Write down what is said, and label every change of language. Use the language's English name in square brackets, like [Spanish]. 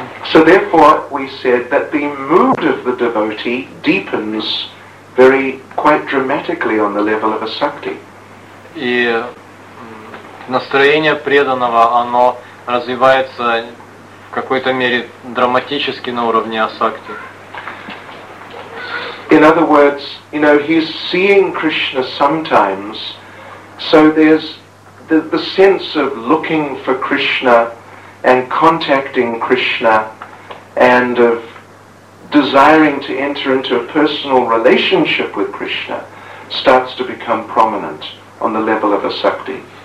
[English] So therefore, we said that the mood of the devotee deepens very quite dramatically on the level of a sati. [Russian] И настроение преданного, оно развивается в какой-то мере драматически на уровне асакти. [English] In other words, you know, he's seeing Krishna sometimes, so there's the sense of looking for Krishna and contacting Krishna and of desiring to enter into a personal relationship with Krishna starts to become prominent on the level of asakti.